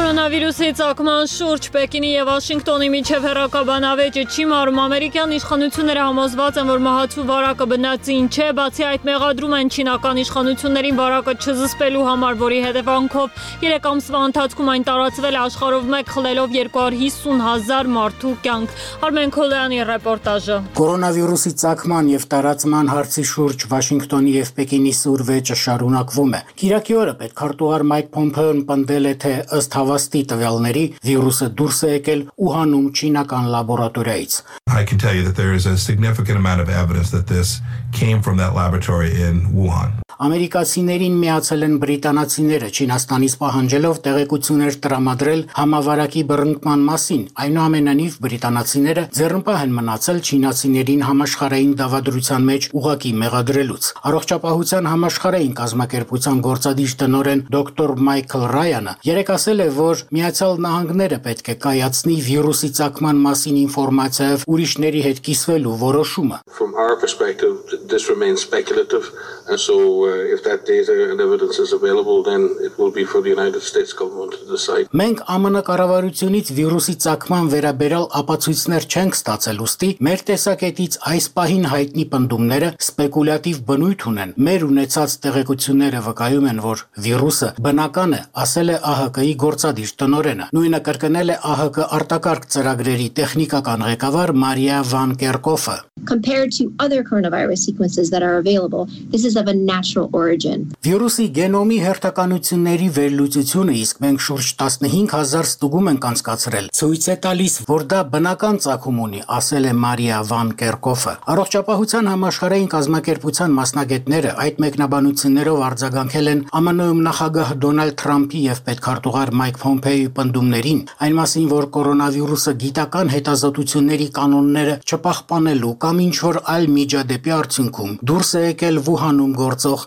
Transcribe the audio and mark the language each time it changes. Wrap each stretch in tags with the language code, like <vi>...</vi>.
<hy>Վիրուսի ծագման շուրջ Պեկինի և Վաշինգտոնի միջև հեռակաբանավեճը չի մարում, ամերիկյան իշխանությունները համոզված են, որ մահացու վարակը բնածին չէ, բացի այդ մեղադրում են չինական իշխանություններին վարակը չզսպելու համար, որի հետևանքով 3 ամսվա ընթացքում այն տարածվել է աշխարհով 1, խլելով 250,000 մարդու կյանք։ Արմեն Քոլյանի ռեպորտաժը։ Կորոնավիրուսի ծագման և տարածման հարցի շուրջ Վաշինգտոնի և Պեկինի սուր վեճը շարունակվում է։ Կիրակի օրը պետք քարտուղար Մայք Փոմպեոն պնդել է, թե ըստ ստի տվյալների վիրուսը դուրս է եկել Ուհանում չինական լաբորատորիայից։</hy> <en>I can tell you that there is a significant amount of evidence that this came from that laboratory in Wuhan.</en> <hy>Ամերիկացիներին միացել են բրիտանացիները Չինաստանից պահանջելով տեղեկություններ տրամադրել համավարակի բռնկման մասին։ Այնուամենայնիվ բրիտանացիները ձեռնպահ են մնացել չինացիներին համաշխարհային դավադրության մեջ ուղակի մեղադրելուց։ Առողջապահության համաշխարհային կազմակերպության գործադիր տնօրեն դոկտոր Մայքլ Ռայանը երեկ ասել է, որ Միացյալ Նահանգները պետք է կայացնի վիրուսի ծագման մասին ինֆորմացիայով ուրիշների հետ կիսվելու որոշումը։</hy> <en>This remains speculative, and so if that data and evidence is available, then it will be for the United States government to decide.</en> <hy>Մենք ԱՄՆ կառավարությունից վիրուսի ծագման վերաբերյալ ապացույցներ չենք ստացել, ուստի մեր տեսակետից այս պահին հայտնի պնդումները սպեկուլյատիվ բնույթ ունեն։ Մեր ունեցած տեղեկությունները վկայում են, որ վիրուսը բնական է, ասել է ԱՀԿ-ի գործադիր տնօրենը։ Նույնը կրկնել է ԱՀԿ արտակարգ ծրագրերի տեխնիկական ղեկավար Մարիա Վան Կերկոֆը։</hy> <en>Compared to other coronavirus sequences that are available, this is of a natural origin.</en> <hy>Վիրուսի գենոմի հերթականությունների վերլուծությունը, իսկ մենք շուրջ 15,000 ստուգում ենք անցկացրել, ցույց է տալիս, որ դա բնական ծագում ունի, ասել է Մարիա Վան Կերկոֆը։ Առողջապահության համաշխարհային կազմակերպության մասնագետները այդ մեկնաբանություններով արձագանքել են ԱՄՆ-ում նախագահ Դոնալդ Թրամփի և պետքարտուղար Մայք Փոմպեոյի պնդումներին, այն մասին, որ կորոնավիրուսը գիտական հետազոտությունների կանոնները չպահպանելու կամ ինչ-որ այլ միջադեպի արդյունքում դուրս է եկել Վուհանում գործող</hy>